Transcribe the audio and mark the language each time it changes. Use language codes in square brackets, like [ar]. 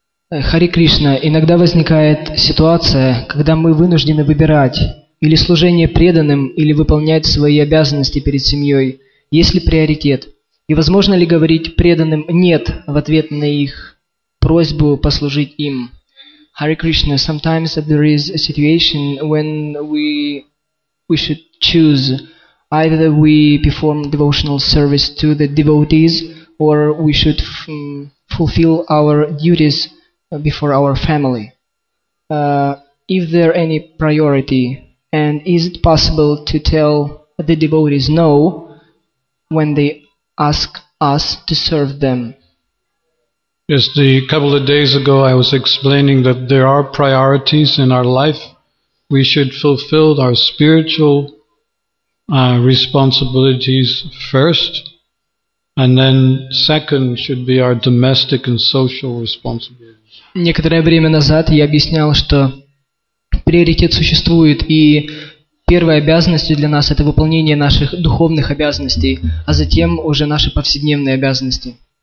[ru] Хари Кришна, иногда возникает ситуация, когда мы вынуждены выбирать или служение преданным, или выполнять свои обязанности перед семьей. Есть ли приоритет? И возможно ли говорить преданным «нет» в ответ на их просьбу послужить им? [en] Хари Кришна, sometimes there is a situation when we should choose either we perform devotional service to the devotees or we should fulfill our duties before our family. Is there any priority? And is it possible to tell the devotees no when they ask us to serve them? Just a couple of days ago, I was explaining that there are priorities in our life. We should fulfill our spiritual responsibilities first. And then second should be our domestic and social responsibilities. [ru] Некоторое время назад я объяснял, что приоритет существует, и первой обязанностью для нас это выполнение наших духовных обязанностей, а затем уже наши повседневные обязанности.